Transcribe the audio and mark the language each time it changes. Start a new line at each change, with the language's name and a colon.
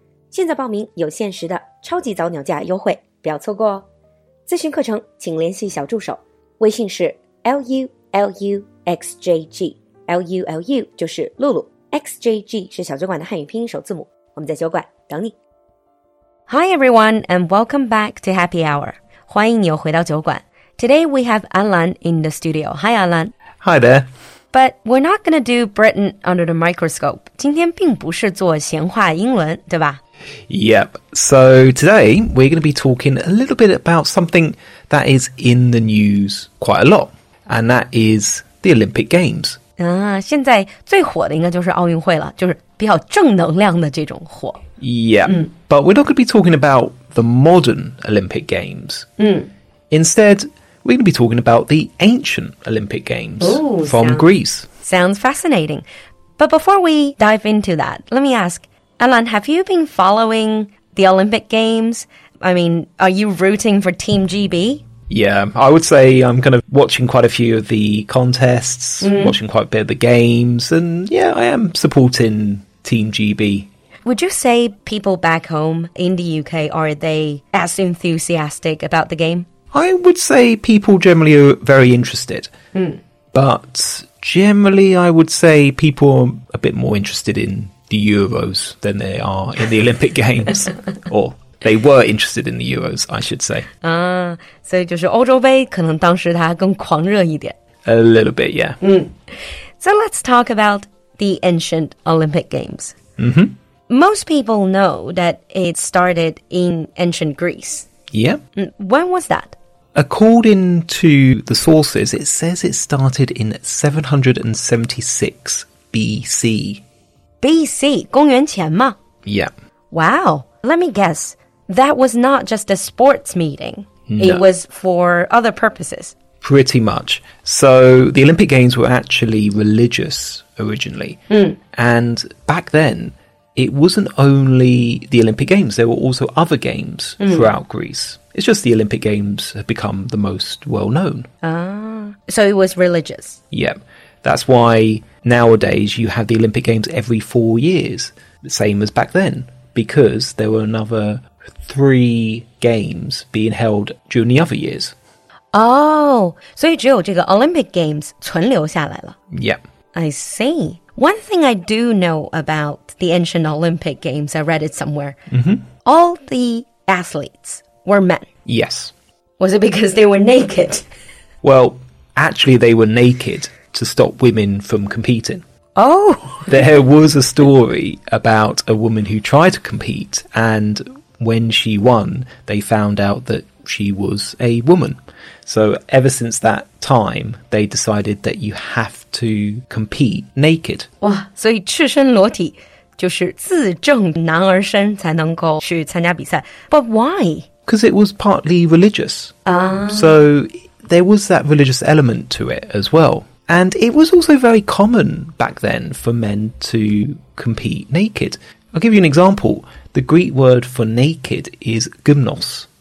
Chinese: 现在报名有限时的超级早鸟价优惠，不要错过哦。咨询课程请联系小助手，微信是 LULUXJG, LULU 就是露露， XJG 是小酒馆的汉语拼音首字母，我们在酒馆等你。
English: Hi everyone, and welcome back to Happy Hour.
Chinese: 欢迎你又回到酒馆。
English: Today we have Alan in the studio. Hi Alan. Hi there. But we're not going to do Britain under the microscope.
Chinese: 今天并不是做闲话英文，对吧？
English: Yep. So today we're going to be talking a little bit about something that is in the news quite a lot. And that is the Olympic Games.
Chinese: 现在最火的应该就是奥运会了，就是比较正能量的这种火。
English: Yeah, but we're not going to be talking about the modern Olympic Games. Instead, we're going to be talking about the ancient Olympic Games Greece. Sounds fascinating. But before we dive into that, let me ask, Alan, have you been following the Olympic Games? I mean, are you rooting for Team GB? Yeah, I would say I'm kind of watching quite a few of the contests, watching quite a bit of the games, and yeah, I am supporting Team GB. Would you say people back home in the UK, are they as enthusiastic about the game? I would say people generally are very interested. But generally, I would say people are a bit more interested in the Euros than they are in the Olympic Games. Or they were interested in the Euros, I should say.
Chinese: 所以就是欧洲杯可能当时它更狂热一点。
English: A little bit, yeah. So let's talk about the ancient Olympic Games. Mm-hmm. Most people know that it started in ancient Greece. Yeah. When was that? According to the sources, it says it started in 776 BC.
Chinese: BC? 公元前吗?
English: Yeah. Wow. Let me guess. That was not just a sports meeting. No. It was for other purposes. Pretty much. So the Olympic Games were actually religious originally. And back then... It wasn't only the Olympic Games. There were also other games throughout Greece. It's just the Olympic Games have become the most well-known. So it was religious. Yeah. That's why nowadays you have the Olympic Games every 4 years. Same as back then. Because there were another 3 games being held during the other years.
Chinese: So 只有这个 Olympic Games 存留下来了。
English: Yeah. I see. One thing I do know about the ancient Olympic Games, I read it somewhere. All the athletes were men. Yes. Was it because they were naked? Well, actually, they were naked to stop women from competing. Oh! There was a story about a woman who tried to compete, and when she won, they found out that she was a woman. So ever since that time, they decided that you have to compete naked.
Chinese: 哇，所以赤身裸体就是自证男儿身才能够去参加比赛。
English: But why? Because it was partly religious. So there was that religious element to it as well. And it was also very common back then for men to compete naked. I'll give you an example. The Greek word for naked is gymnos.